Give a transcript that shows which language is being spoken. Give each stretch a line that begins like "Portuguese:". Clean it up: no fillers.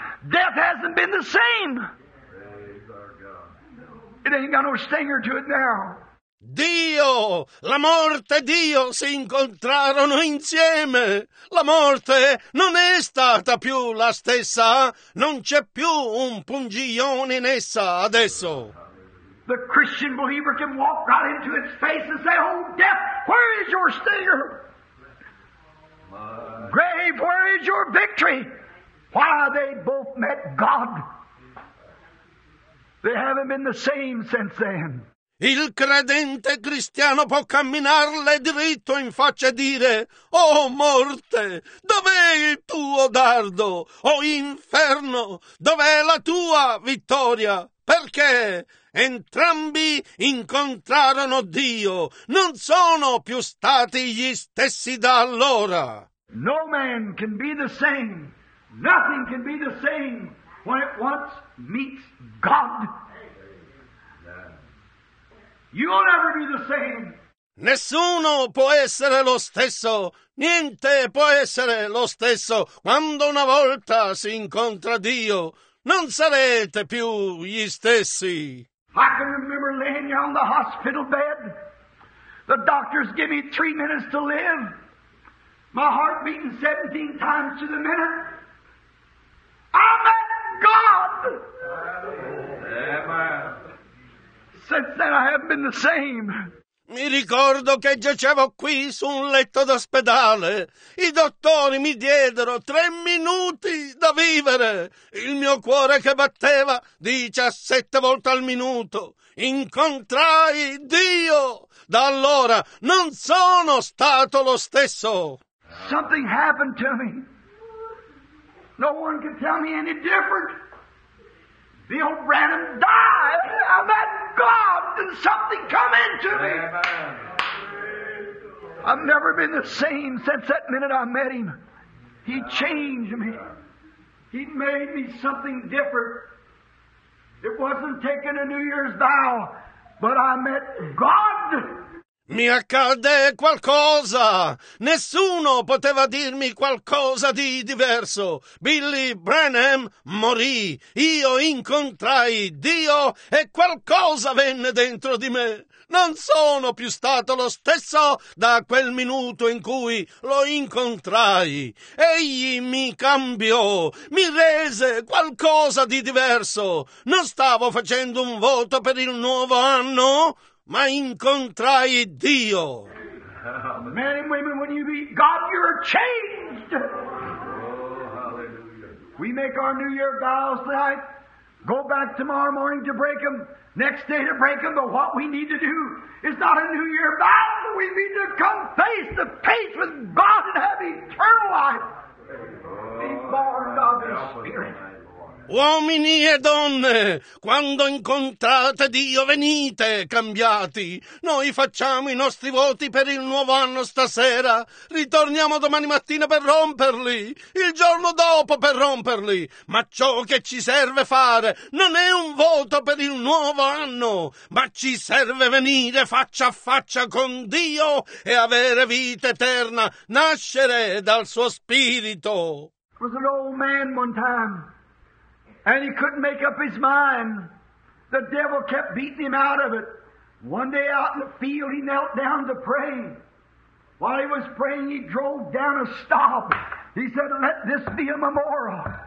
English: Death hasn't been the same. It ain't got no stinger to it now.
Italian: Dio, la morte e Dio si incontrarono insieme. La morte non è stata più la stessa. Non c'è più un pungiglione in essa adesso.
English: The Christian believer can walk right into its face and say, oh, death, where is your stinger? Grave, where is your victory? Why, they both met God. They haven't been the same since then.
Italian: Il credente cristiano può camminarle dritto in faccia e dire: oh morte, dov'è il tuo dardo? Oh inferno, dov'è la tua vittoria? Perché entrambi incontrarono Dio. Non sono più stati gli stessi da allora.
English: No man can be the same. Nothing can be the same when it once meets God. You'll never be the same.
Italian: Nessuno può essere lo stesso. Niente può essere lo stesso quando una volta si incontra Dio. Non sarete più gli stessi.
English: I can remember laying on the hospital bed. The doctors give me 3 minutes to live. My heart beating 17 times to the minute. I met God. Amen. Since then I haven't been the same.
Italian: Mi ricordo che giacevo qui su un letto d'ospedale. I dottori mi diedero 3 minuti da vivere. Il mio cuore che batteva 17 volte al minuto. Incontrai Dio. Da allora non sono stato lo stesso.
English: Something happened to me. No one can tell me any different. Bill Branham died. I met God and something come into me. Amen. I've never been the same since that minute I met him. He changed me. He made me something different. It wasn't taking a New Year's vow, but I met God.
Italian: Mi accadde qualcosa. Nessuno poteva dirmi qualcosa di diverso. Billy Branham morì. Io incontrai Dio e qualcosa venne dentro di me. Non sono più stato lo stesso da quel minuto in cui lo incontrai. Egli mi cambiò, mi rese qualcosa di diverso. Non stavo facendo un voto per il nuovo anno, ma incontrai Dio.
English: Men and women, when you meet God, you're changed. Oh, hallelujah. We make our New Year vows tonight. Go back tomorrow morning to break them. Next day to break them. But what we need to do is not a New Year vow. We need to come face to face with God and have eternal life. Oh, be born of the Spirit. Tonight,
Italian: Uomini e donne, quando incontrate Dio venite cambiati. Noi facciamo i nostri voti per il nuovo anno stasera. Ritorniamo domani mattina per romperli, il giorno dopo per romperli. Ma ciò che ci serve fare non è un voto per il nuovo anno, ma ci serve venire faccia a faccia con Dio e avere vita eterna, nascere dal suo spirito.
English: Was an old man one time, and he couldn't make up his mind. The devil kept beating him out of it. One day out in the field, he knelt down to pray. While he was praying, he drove down a stop. He said, "Let this be a memorial.